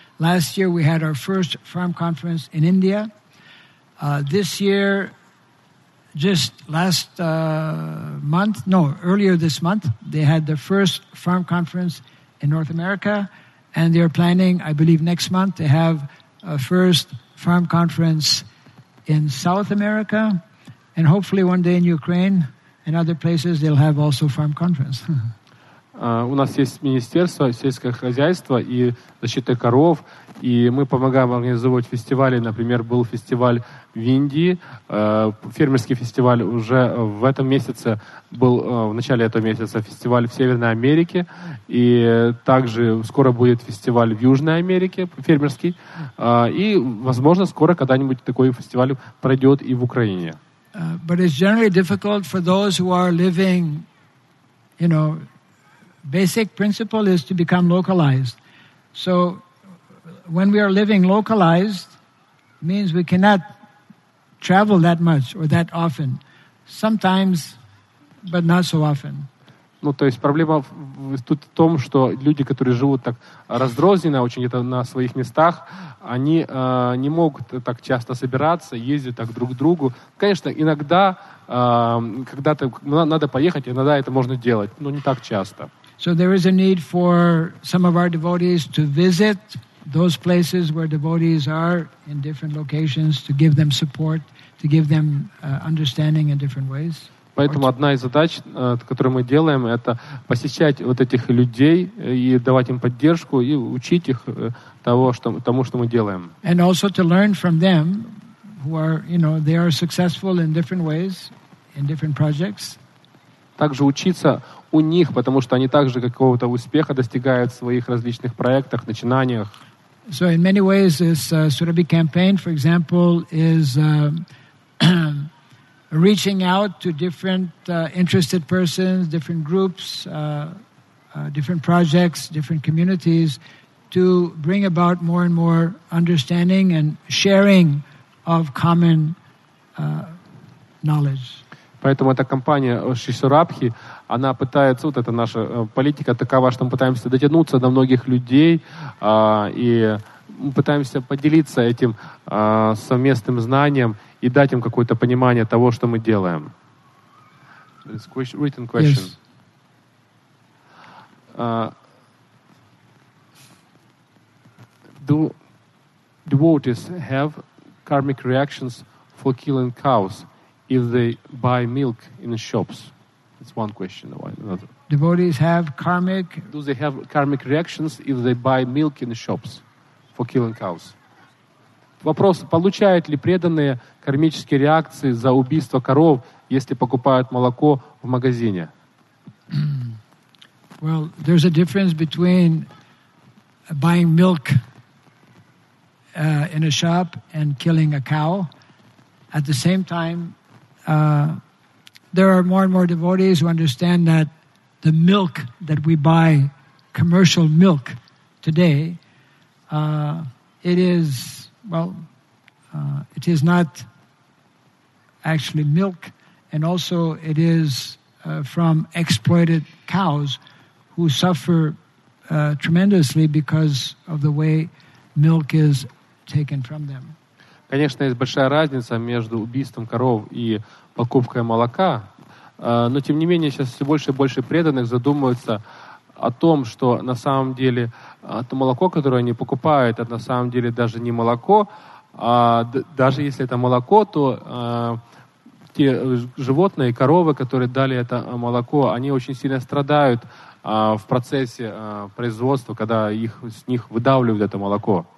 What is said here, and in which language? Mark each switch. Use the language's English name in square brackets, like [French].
[English] Last year we had our first farm conference in India. This year, just last month, no, earlier this month, they had the first farm conference in North America, and they're planning, I believe, next month to have a first farm conference in South America, and hopefully one day in Ukraine and other places they'll have also farm conference. [Russian] У нас есть Министерство сельского хозяйства и защиты коров, и мы помогаем организовывать фестивали. Например, был фестиваль в Индии, фермерский фестиваль уже в этом месяце был, в начале этого месяца фестиваль в Северной Америке, и также скоро будет фестиваль в Южной Америке, фермерский, и, возможно, скоро когда-нибудь такой фестиваль пройдет и в Украине. [English] But it's generally difficult for those who are living, you know, basic principle is to become localized. So when we are living localized, means we cannot travel that much or that often. Sometimes, but not so often. [Russian] Ну, то есть проблема тут в том, что люди, которые живут так раздрозненно, очень где-то на своих местах, они не могут так часто собираться, ездить так друг к другу. Конечно, иногда, когда-то надо поехать, иногда это можно делать, но не так часто. [English] So there is a need for some of our devotees to visit those places where devotees are in different locations to give them support, to give them understanding in different ways. [Russian] Поэтому одна из задач, которую мы делаем, это посещать вот этих людей и давать им поддержку и учить их тому, что мы делаем. [English] And also to learn from them, who are, you know, they are successful in different ways, in different projects. [Russian] Также учиться у них, потому что они также какого-то успеха достигают в своих различных проектах, начинаниях. [English] So in many ways this Surabhi campaign, for example, is reaching out to different interested persons, different groups, different projects, different communities to bring about more and more understanding and sharing of common knowledge. [Russian] Поэтому эта компания Шишурабхи, она пытается, вот эта наша политика такова, что мы пытаемся дотянуться до многих людей, и мы пытаемся поделиться этим совместным знанием и дать им какое-то понимание того, что мы делаем. [English] It's a written question. Yes. Do devotees have karmic reactions for killing cows if they buy milk in the shops? That's one question. Devotees have karmic... Do they have karmic reactions if they buy milk in the shops for killing cows? [Russian] Вопрос, получают ли преданные кармические реакции за убийство коров, если покупают молоко в магазине? [English] Well, there's a difference between buying milk in a shop and killing a cow. At the same time, there are more and more devotees who understand that the milk that we buy, commercial milk today, it is not actually milk, and also it is from exploited cows who suffer tremendously because of the way milk is taken from them. [Russian] Конечно, есть большая разница между убийством коров и покупкой молока, но тем не менее сейчас все больше и больше преданных задумываются о том, что на самом деле то молоко, которое они покупают, это на самом деле даже не молоко, а даже если это молоко, то те животные, коровы, которые дали это молоко, они очень сильно страдают в процессе производства, когда их, с них выдавливают это молоко.